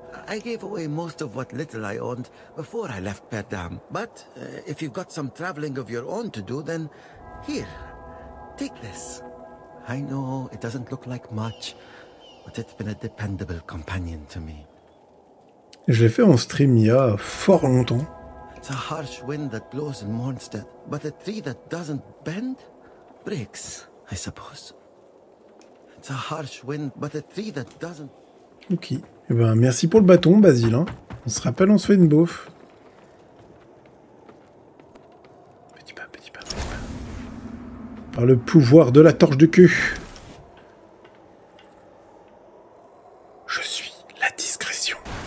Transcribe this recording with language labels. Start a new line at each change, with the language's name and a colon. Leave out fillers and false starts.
English: I gave away most of what little I owned before I left Perdam. But if you've got some traveling of your own to do, then here, take this. I know it doesn't look like much, but it's been a dependable companion to me.
French: Je l'ai fait en stream il y a fort longtemps.
English: It's a harsh wind that blows in Mornstead, but a tree that doesn't bend breaks, I suppose. It's a harsh wind, but a tree that doesn't...
French: Ok. Eh ben, merci pour le bâton, Basile. Hein. On se rappelle, on se fait une bouffe. Petit pas, petit pas, petit pas. Par le pouvoir de la torche du cul. Je suis la discrétion.